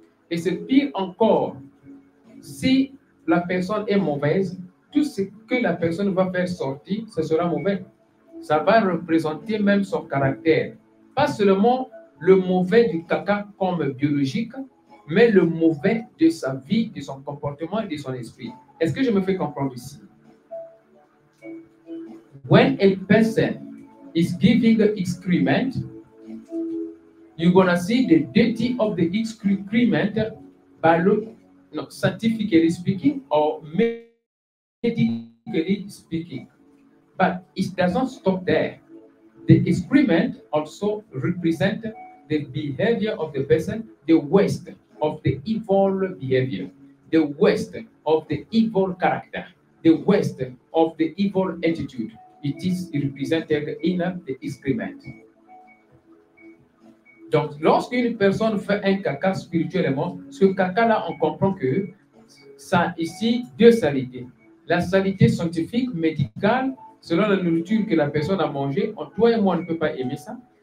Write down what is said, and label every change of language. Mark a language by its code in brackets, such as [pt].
[fr] Et c'est pire encore, si la personne est mauvaise, tout ce que la personne va faire sortir, ce sera mauvais. Ça va représenter même son caractère. Pas seulement le mauvais du caca comme biologique, mais le mauvais de sa vie, de son comportement et de son esprit. Est-ce que je me fais comprendre ici? [en] When a person is giving the excrement, you're going to see the dirty of the excrement by scientifically speaking or medically speaking. But it doesn't stop there. The excrement also represents the behavior of the person, the waste of the evil behavior, the waste of the evil character, the waste of the evil attitude. It is represented in the excrement. [fr] Donc, lorsqu'une personne fait un caca spirituellement, ce caca-là, on comprend que ça a ici deux salités. La salité scientifique, médicale, selon la nourriture que la personne a mangée, toi et moi, on ne peut pas aimer ça.